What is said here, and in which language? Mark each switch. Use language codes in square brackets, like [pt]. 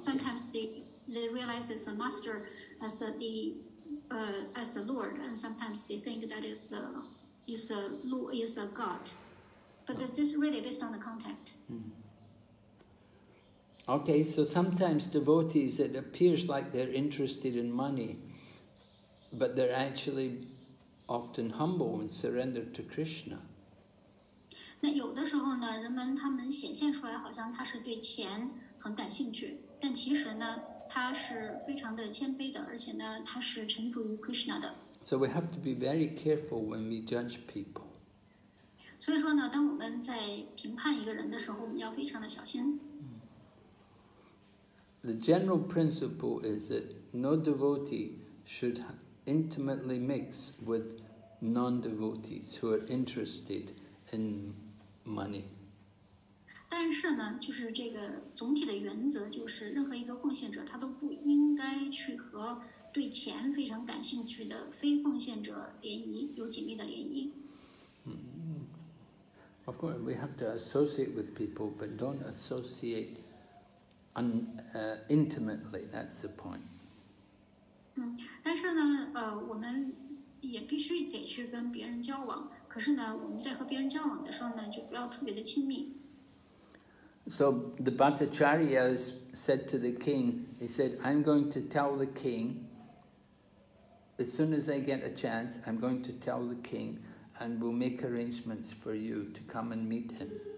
[en] Sometimes they realize it's a master, as a lord, and sometimes they think that is a god. But okay. This is really based on the context. Mm-hmm. Okay, so sometimes devotees, it appears like they're interested in money, but they're actually often humble and surrender to Krishna. [zh] 那有的时候呢，人们他们显现出来好像他是对钱很感兴趣，但其实呢，他是非常的谦卑的，而且呢，他是臣服于 Krishna 的。 [en] So we have to be very careful when we judge people. [zh] 所以说呢，当我们在评判一个人的时候，我们要非常的小心。 [en] The general principle is that no devotee should intimately mix with non-devotees who are interested in money. [zh] 但是呢，就是这个总体的原则，就是任何一个奉献者，他都不应该去和对钱非常感兴趣的非奉献者联谊，有紧密的联谊。 [en] Of course, we have to associate with people, but don't associate intimately. That's the point. [zh] 但是呢，我们也必须得去跟别人交往。可是呢，我们在和别人交往的时候呢，就不要特别的亲密。 [en] So the Bhattacharya said to the king, he said, I'm going to tell the king, as soon as I get a chance, I'm going to tell the king and we'll make arrangements for you to come and meet him.